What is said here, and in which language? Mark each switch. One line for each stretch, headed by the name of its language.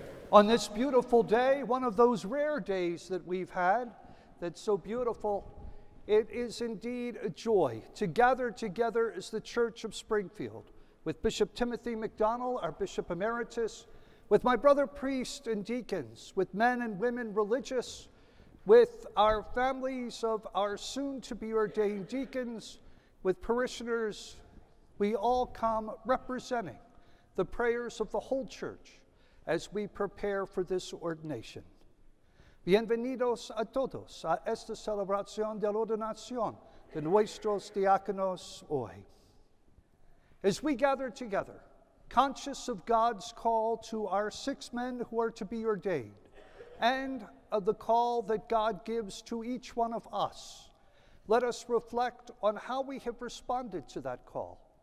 English: On this beautiful day, one of those rare days that we've had that's so beautiful, it is indeed a joy to gather together as the Church of Springfield with Bishop Timothy McDonald, our Bishop Emeritus, with my brother priests and deacons, with men and women religious, with our families of our soon-to-be-ordained deacons, with parishioners. We all come representing the prayers of the whole church as we prepare for this ordination.
Spanish: Bienvenidos a todos a esta celebración de la ordenación de nuestros diáconos hoy.
English: As we gather together, conscious of God's call to our six men who are to be ordained, and of the call that God gives to each one of us, let us reflect on how we have responded to that call.